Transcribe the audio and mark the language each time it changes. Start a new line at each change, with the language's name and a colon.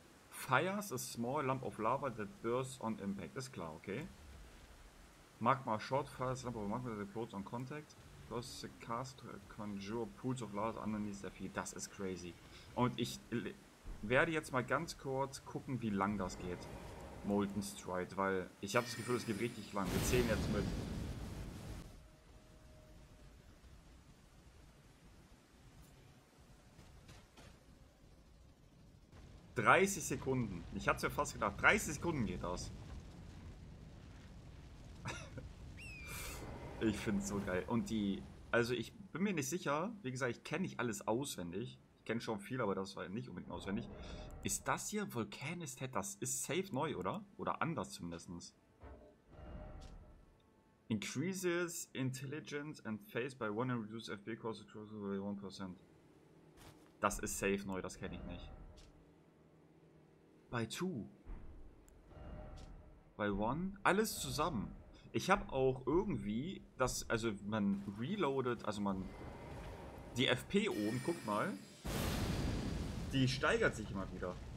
English: Fires a small lump of lava that bursts on impact.
German: Ist klar, okay.
English: Magma short fires lump of magma that explodes on contact. Plus the cast conjure pools of lava underneath their feet.
German: Das ist crazy. Und ich werde jetzt mal ganz kurz gucken, wie lang das geht. Molten Stride, weil ich habe das Gefühl, es geht richtig lang. Wir zählen jetzt mit. Ich hab's ja fast gedacht. 30 Sekunden geht das. Ich find's so geil. Und die. Also, ich bin mir nicht sicher. Wie gesagt, ich kenne nicht alles auswendig. Ich kenne schon viel, aber das war ja nicht unbedingt auswendig. Ist das hier Volcanistat? Das ist safe neu, oder? Oder anders zumindest.
English: Increases intelligence and face by 1 and reduce FP cost across by 1%.
German: Das ist safe neu, das kenne ich nicht.
English: By 2. By 1.
German: Alles zusammen. Ich habe auch irgendwie das, also man reloadet, also man, die FP oben, guck mal, die steigert sich immer wieder.